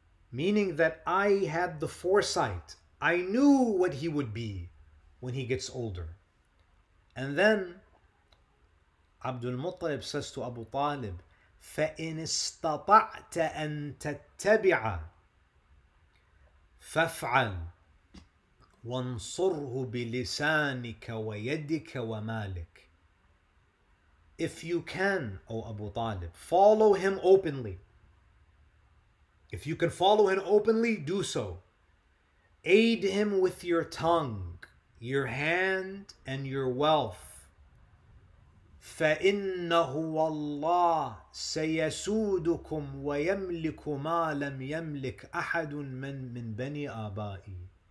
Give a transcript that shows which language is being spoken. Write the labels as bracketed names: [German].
[English] Meaning that I had the foresight. I knew what he would be when he gets older. And then Abdul Muttalib says to Abu Talib, [Arabic] فإن استطعت أن تتبع فافعل. وانصره بلسانك ويدك ومالك. [English] If you can, O Abu Talib, follow him openly. If you can follow him openly, do so. Aid him with your tongue, your hand, and your wealth. [Arabic] فَإِنَّهُ وَاللَّهِ سَيَسُودُكُمْ وَيَمْلِكُ مَا لَمْ يَمْلِكْ أَحَدٌ مِنْ بَنِي آبَائِي.